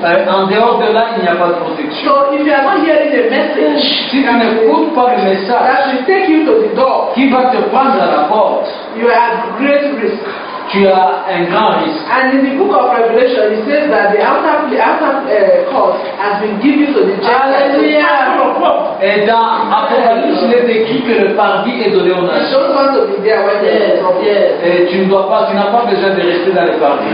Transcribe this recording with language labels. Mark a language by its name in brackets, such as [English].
[French] En dehors de là, il n'y a pas de protection. [English] So if you are not hearing the message, [French] si tu n'écoutes pas le message, [English] that will take you to the door. [French] Qui va te prendre à la porte? [English] You are at great risk. [French] Tu as un grand risque. [English] And in the book of Revelation, it says that the outer court has been given to the Gentiles. [French] Et dans Apocalypse, il est écrit que le parvis est donné aux nations. [English] You don't want to be there when [French] Et tu n'as pas besoin de rester dans le parvis.